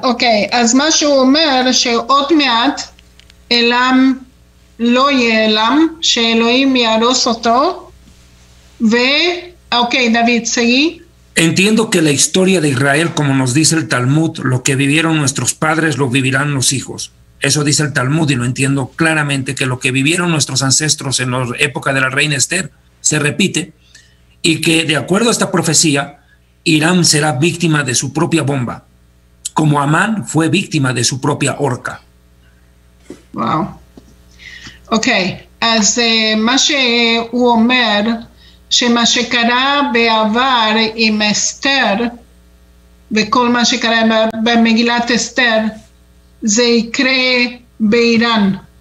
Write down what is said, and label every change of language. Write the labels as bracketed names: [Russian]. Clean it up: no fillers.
[Hebrew] Ok, as ma sheu omer sheot meat אלם לא יהיה אלם, שאלוהים יהרוס אותו, ואוקיי, דוד, סגי. [Spanish] Entiendo que la historia de Israel, como nos dice el Talmud, lo que vivieron nuestros padres lo vivirán los hijos. Eso dice el Talmud y lo entiendo claramente, que lo que vivieron nuestros ancestros en la época de la reina Esther se repite y que de acuerdo a esta profecía, Irán será víctima de su propia bomba, como Amán fue víctima de su propia horca. Wow. [Hebrew] Okay, אז מה שהוא אומר, שמה שקרה בעבר עם אסתר, וכל מה שקרה במגילת אסתר, זה יקרה באיראן.